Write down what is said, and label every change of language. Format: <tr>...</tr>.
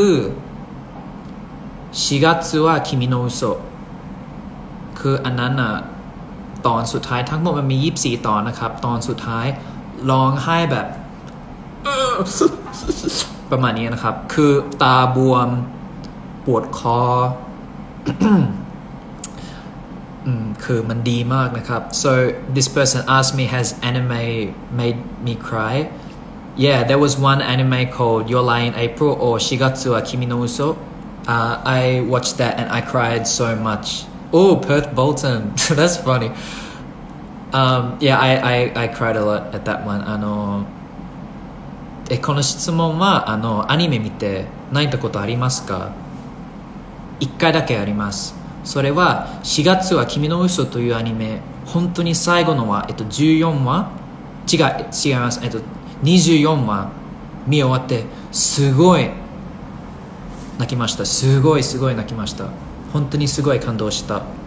<th>อชิกาซึวะคิมิโนอุโซะคืออันนั้นอ่ะตอนสุดท้ายทั้งหมดมันมี24ตอนนะครับตอนสุดท้ายร้องไห้แบบประมาณนี้นะครับคือตาบวมปวดคอคือมันดีมากนะครับ</th> <en>so this person asked me has anime made me cry yeah there was one anime called Your Lie in April or Shigatsu wa Kimi no Uso I watched that and I cried so much oh Perth Bolton that's funny yeah I cried a lot at that one あの</en> <ja>この質問はあのアニメ見て泣いたことありますか一回だけありますそれは4月は君の嘘というアニメ本当に最後のは14話違います24話見終わってすごい泣きましたすごいすごい泣きました本当にすごい感動した</ja>